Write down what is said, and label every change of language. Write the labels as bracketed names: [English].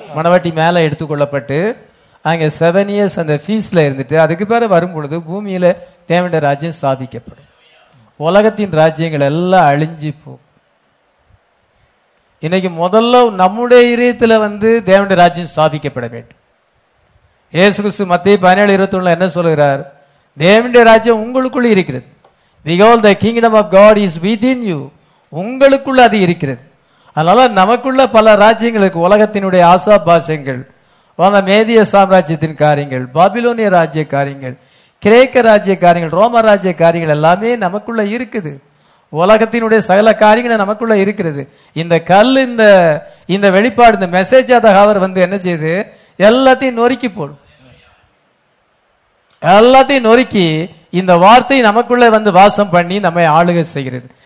[Tamil] மணவாட்டி மேல எடுத்துக்கொள்ளப்பட்டு அங்கே 7 இயர்ஸ் அந்த ஃபீஸ்ல இருந்துட்டு அதுக்கு பேர வரும் பொழுது பூமியில தேவனுடைய ராஜ்யம் சாபிக்கப்படும், உலகத்தின் ராஜ்யங்கள் எல்லாம் அழிஞ்சு போகும். இன்னைக்கு முதல்ல நம்முடைய இதயத்தில் வந்து தேவனுடைய ராஜ்யம் ஸ்தாபிக்கப்பட வேண்டும். இயேசு கிறிஸ்து மத்தேயு 17:21 என்ன சொல்கிறார், தேவனுடைய ராஜ்யம் உங்களுக்குள் இருக்கிறது. [English] Behold, the kingdom of God is within you. [Tamil] உங்களுக்குள்ள அது இருக்கிறது. அதனால நமக்குள்ள பல ராஜ்யங்களுக்கு உலகத்தினுடைய ஆசாபாசங்கள், மேதிய சாம்ராஜ்யத்தின் காரியங்கள், பாபிலோனிய ராஜ்ய காரியங்கள், கிரேக்க ராஜ்ய காரியங்கள், ரோம ராஜ்ய காரியங்கள் எல்லாமே நமக்குள்ள இருக்குது. உலகத்தினுடைய சகல காரியங்களை நமக்குள்ள இருக்கிறது. இந்த கல், இந்த வெளிப்பாடு, இந்த மெசேஜ் அவர் வந்து என்ன செய்து எல்லாத்தையும் நொறுக்கி போடும், எல்லாத்தையும் நொறுக்கி இந்த வார்த்தை நமக்குள்ள வந்து வாசம் பண்ணி நம்மை ஆளுகை செய்கிறது.